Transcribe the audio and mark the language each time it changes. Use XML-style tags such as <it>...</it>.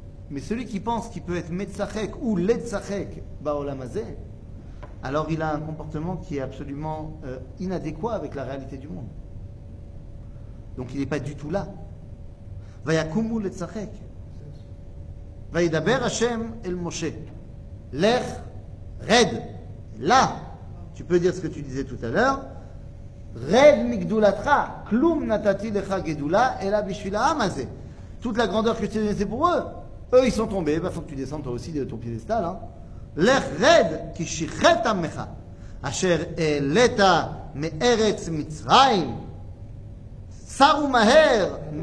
<fr>Mais celui qui pense qu'il peut être Metzachek ou Letzachek ba Olam Hazé, alors il a un comportement qui est absolument inadéquat avec la réalité du monde. Donc il n'est pas du tout là.</fr> <he>ויקומו לצחק. וידבר השם אל משה. לך, רד, לה.</he> <fr>Tu peux dire ce que tu disais tout à l'heure.</fr> <he>רד מגדולתך. כלום נתתי לך גדולה, אלא בשביל העם הזה.</he> <fr>Toute la grandeur que tu as donnée, c'est pour eux. Eux, ils sont tombés. Il faut que tu descends toi aussi de ton piédestal.</fr> <he>לך רד כי שיחת עמך אשר העלית מארץ מצרים שר ומהר.</he>